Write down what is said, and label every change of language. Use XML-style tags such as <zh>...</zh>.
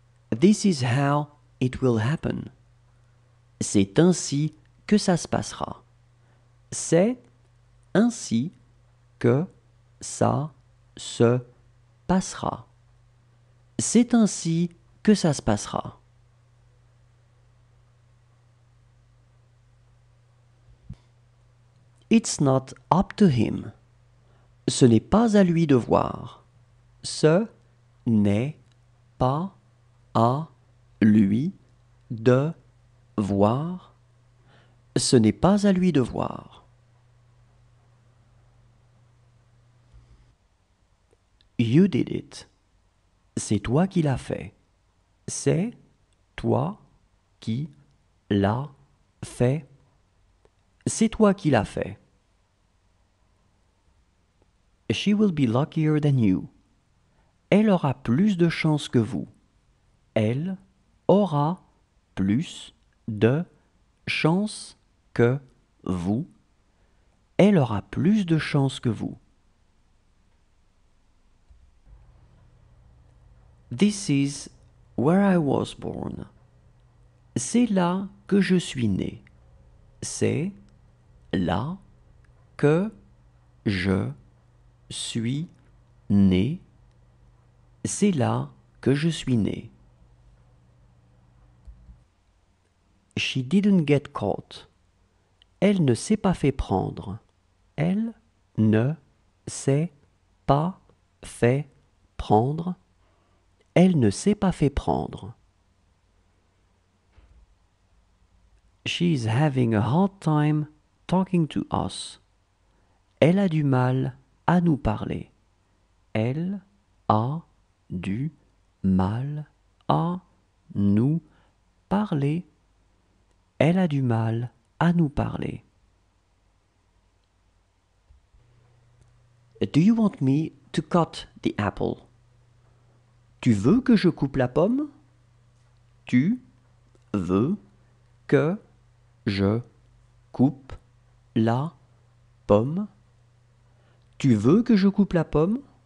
<en>This is how it will happen.</en> <fr>C'est ainsi que ça se passera. C'est ainsi que ça se passera. C'est ainsi que ça se passera.</fr> <en>It's not up to him.</en> <fr>Ce n'est pas à lui de voir. Ce n'est pas à lui de voir. Ce n'est pas à lui de voir.</fr> <en>You did it.</en> <fr>C'est toi qui l'as fait. C'est toi qui l'as fait. C'est toi qui l'as fait.</fr> <en>She will be luckier than you.</en> <fr>Elle aura plus de chance que vous. Elle aura plus de chance que vous. Elle aura plus de chance que vous.</fr> <en>This is where I was born.</en> <fr>C'est là que je suis né. C'est là que je suis né. C'est là que je suis né.</fr> <en>She didn't get caught.</en> <fr>Elle ne s'est pas fait prendre. Elle ne s'est pas fait prendre. Elle ne s'est pas fait prendre.</fr> <en>She's having a hard time talking to us.</en> <fr>Elle a du mal à nous parler. Elle a du mal à nous parler. Elle a du mal à nous parler.</fr> <en>Do you want me to cut the apple?</en> <fr>Tu veux que je coupe la pomme? Tu veux que je coupe la pomme? Tu veux que je coupe la pomme?</fr>